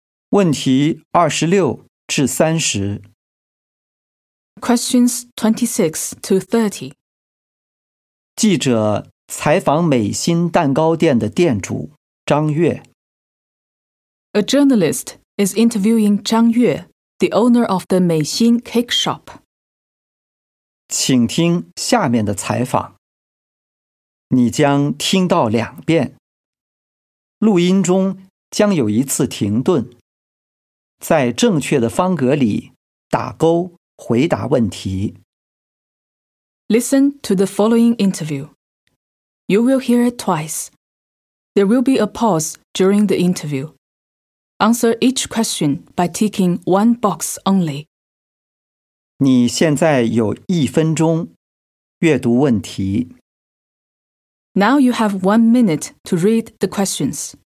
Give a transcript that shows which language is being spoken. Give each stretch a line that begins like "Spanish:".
Chinese: 问题26-30。
English: Questions 26 to 30.
Chinese: 记者采访美心蛋糕店的店主张月。
English: A journalist is interviewing 张月, the owner of the 美心 cake shop.
Chinese: 请听下面的采访。你将听到两遍。录音中将有一次停顿。在正确的方格里打勾回答问题。
English: Listen to the following interview. You will hear it twice. There will be a pause during the interview. Answer each question by ticking one box only.
Chinese: 你现在有1分钟阅读问题。
English: Now you have 1 minute to read the questions.